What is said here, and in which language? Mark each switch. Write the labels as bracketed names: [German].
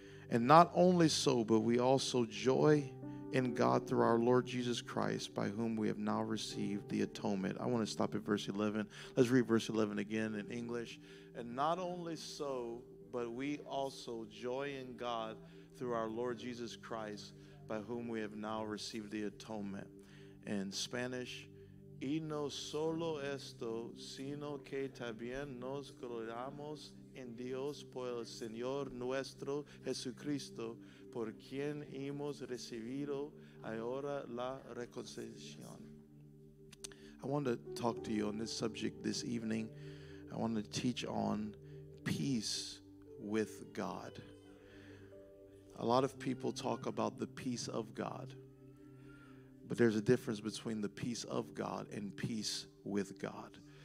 [English] And not only so, but we also joy in God through our Lord Jesus Christ, by whom we have now received the atonement. I want to stop at verse 11. Let's read verse 11 again in English. And not only so, but we also joy in God through our Lord Jesus Christ, by whom we have now received the atonement. In Spanish, [Spanish] y no solo esto, sino que también nos gloriamos en Dios por el Señor nuestro Jesucristo, por quien hemos recibido ahora la reconciliación. [English] I want to talk to you on this subject this evening. I want to teach on peace with God. A lot of people talk about the peace of God, but there's a difference between the peace of God and peace with God.